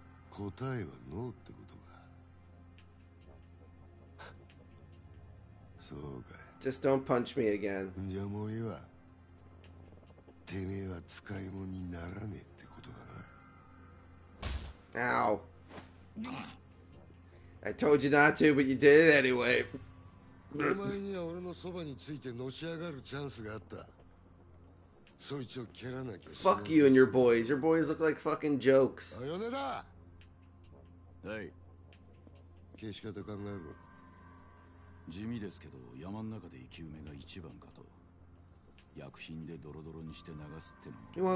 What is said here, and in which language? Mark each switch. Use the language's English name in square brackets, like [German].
[Japanese] 答えはノーってことか。そうかい。 [English] Just don't punch me again. [Japanese] じゃあもういいわ。てめえは使い物にならねえってことだな。 Ow. [English] I told you not to, but you did it anyway. [Japanese] お前には俺のそばについてのし上がるチャンスがあった。そいつを蹴らなきゃ。 [English] Fuck you and your boys. Your boys look like fucking jokes. [Japanese] あ、米田。はい。消し方考えろ。地味ですけど、山の中で生き埋めが一番かと。薬品でドロドロにして流すってのも。